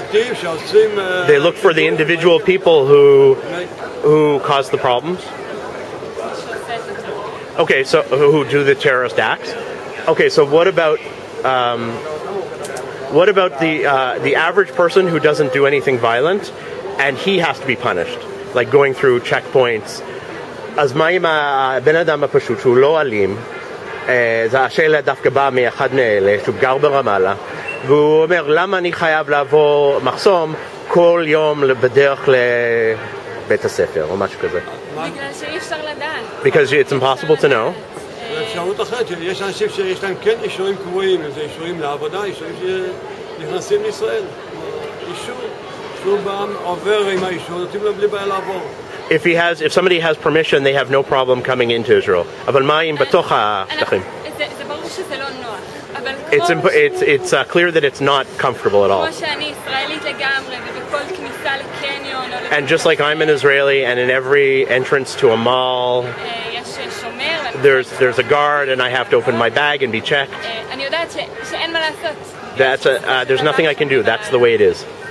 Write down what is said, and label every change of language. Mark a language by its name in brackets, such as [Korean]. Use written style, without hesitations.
[English] They look for the individual people who cause the problems. Okay, so who do the terrorist acts? Okay, so what about? What about the average person who doesn't do anything violent and he has to be punished, like going through checkpoints. [Hebrew] אז מה אם הבן אדם הפשוט שהוא לא אלים, זה השאלה דווקא באה מאחד מאלה, שהוא גר ברמאללה, והוא אומר, למה אני חייב לעבור מחסום כל יום בדרך לבית הספר, או משהו כזה? בגלל שאי אפשר לדעת. [English] Because it's impossible to know. [Hebrew] אפשרות אחרת, יש אנשים שיש להם כן אישורים קבועים, זה אישורים לעבודה, אישורים שנכנסים לישראל. אישור, שום בעם עובר עם האישור, נותנים לו בלי בעיה לעבור. [English] If he has, if somebody has permission, they have no problem coming into Israel. [Hebrew] אבל מה אם בתוך השטחים? זה ברור שזה לא נוח. אבל [English] it's clear that it's not comfortable at all. [Hebrew] כמו שאני ישראלית לגמרי, ובכל כניסה לקניון. [English] And just like I'm an Israeli, and in every entrance to a mall, [Hebrew] יש שומר. [English] There's a guard, and I have to open my bag and be checked. [Hebrew] אני יודעת שאין מה לעשות. [English] That's a there's nothing I can do. That's the way it is.